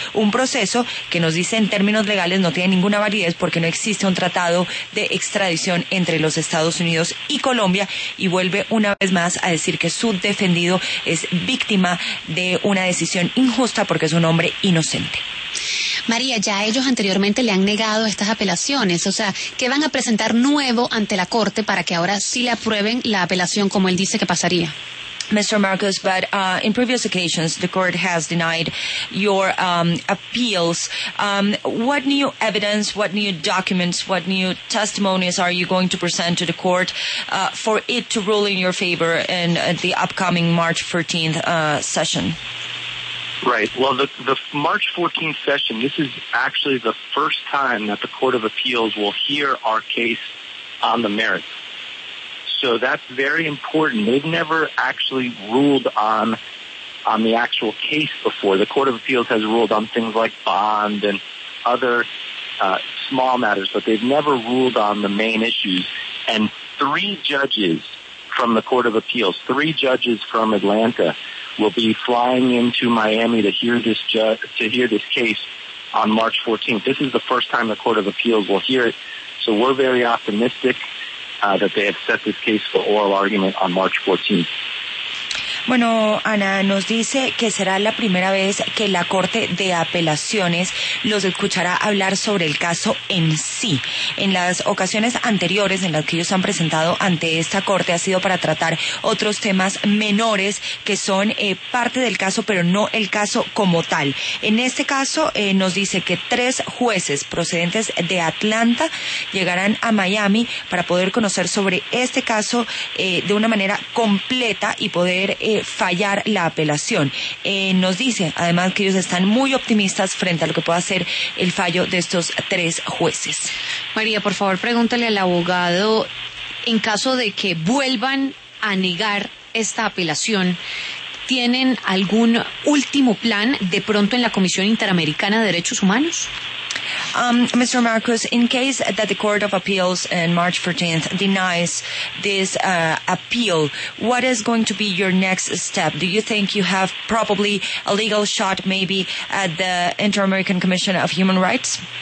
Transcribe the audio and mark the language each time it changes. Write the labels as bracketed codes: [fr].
[es] Un proceso que, nos dice, en términos legales no tiene ninguna validez porque no existe un tratado de extradición entre los Estados Unidos y Colombia, y vuelve una vez más a decir que su defendido es víctima de una decisión injusta porque es un hombre inocente. María, ya ellos anteriormente le han negado estas apelaciones, o sea, ¿qué van a presentar nuevo ante la Corte para que ahora sí le aprueben la apelación como él dice que pasaría? [en] Mr. Marcos, but in previous occasions, the court has denied your appeals. What new evidence, what new documents, what new testimonies are you going to present to the court for it to rule in your favor in the upcoming March 14th session? Right. Well, the March 14th session, this is actually the first time that the Court of Appeals will hear our case on the merits. So that's very important. They've never actually ruled on the actual case before. The Court of Appeals has ruled on things like bond and other small matters, but they've never ruled on the main issues. And three judges from the Court of Appeals, three judges from Atlanta, will be flying into Miami to hear this case on March 14th. This is the first time the Court of Appeals will hear it, so we're very optimistic that they have set this case for oral argument on March 14th. [es] Bueno, Ana, nos dice que será la primera vez que la Corte de Apelaciones los escuchará hablar sobre el caso en sí. En las ocasiones anteriores en las que ellos han presentado ante esta corte ha sido para tratar otros temas menores que son parte del caso, pero no el caso como tal. En este caso nos dice que tres jueces procedentes de Atlanta llegarán a Miami para poder conocer sobre este caso de una manera completa y poder fallar la apelación. Nos dice además que ellos están muy optimistas frente a lo que pueda ser el fallo de estos tres jueces. María, por favor, pregúntale al abogado, en caso de que vuelvan a negar esta apelación, ¿tienen algún último plan de pronto en la Comisión Interamericana de Derechos Humanos? [en] Mr. Marcos, in case that the Court of Appeals on March 14th denies this appeal, what is going to be your next step? Do you think you have probably a legal shot maybe at the Inter-American Commission of Human Rights?